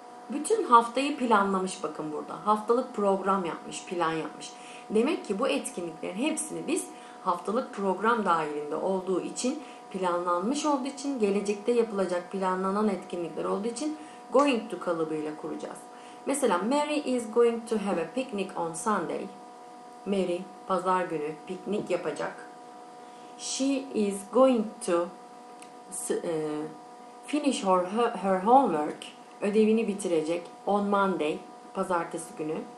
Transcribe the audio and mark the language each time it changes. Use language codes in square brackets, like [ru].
[tr] Bütün haftayı planlamış bakın burada. Haftalık program yapmış, plan yapmış. Demek ki bu etkinliklerin hepsini biz haftalık program dahilinde olduğu için, planlanmış olduğu için, gelecekte yapılacak planlanan etkinlikler olduğu için going to kalıbıyla kuracağız. Mesela [en] Mary is going to have a picnic on Sunday. [tr] Mary pazar günü piknik yapacak. [en] She is going to finish her homework. [tr] Ödevini bitirecek [en] on Monday, [tr] pazartesi günü.